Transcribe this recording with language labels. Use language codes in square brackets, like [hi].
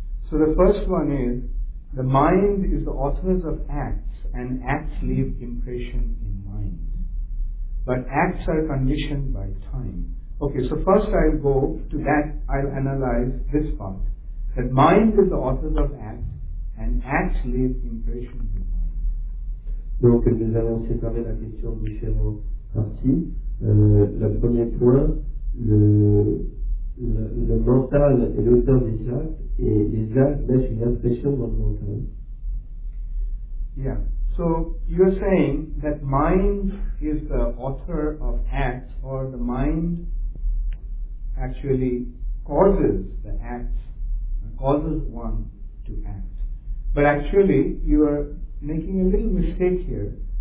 [en] So the first one is, the mind is the authors of acts, and acts leave impression in mind. But acts are conditioned by time. Okay, so first I'll analyze this part, that mind is the authors of acts, and acts leave impression in mind. [fr] Donc nous allons séparer la question de différents. Partie. Le premier point, le mental est l'auteur des actes et les actes laissent une impression dans le mental. [en] Yeah. So you're saying that mind is the author of acts, or the mind actually causes the acts, causes one to act. But actually, you are making a little mistake here.